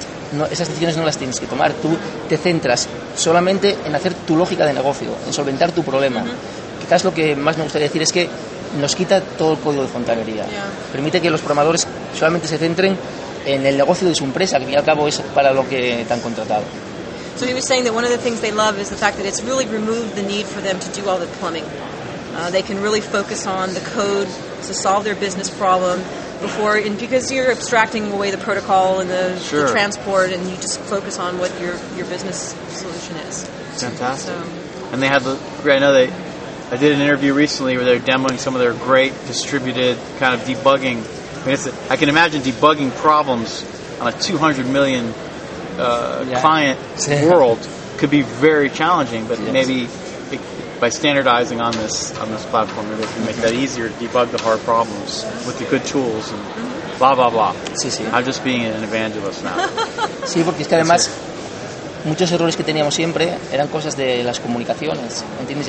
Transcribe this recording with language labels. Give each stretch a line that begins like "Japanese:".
Spanish: No, esas decisiones no las tienes que tomar. Tú te centras solamente en hacer tu lógica de negocio, en solventar tu problema. Uh-huh. Quizás lo que más me gustaría decir es que nos quita todo el código de fontanería. Yeah. Permite que los programadores solamente se centren en el negocio de su empresa, que al fin y al cabo es para lo que te han contratado.
English: So he was saying that one of the things they love is the fact that it's really removed the need for them to do all the plumbing. They can really focus on the code to solve their business problem. Before, and because you're abstracting away the protocol and the transport, and you just focus on what your business solution is. Fantastic. So. And they have I did an interview recently where they're demoing some of their great distributed kind of debugging. I mean, I can imagine debugging problems on a 200 million client world could be very challenging, but maybe by standardizing on this platform, maybe they can make that easier to debug the hard problems with the good tools and blah blah blah.
Spanish: Sí, sí.
English: I'm just being an evangelist now.
Spanish: Sí, porque es que además muchos errores que teníamos siempre eran cosas de las comunicaciones, ¿entiendes?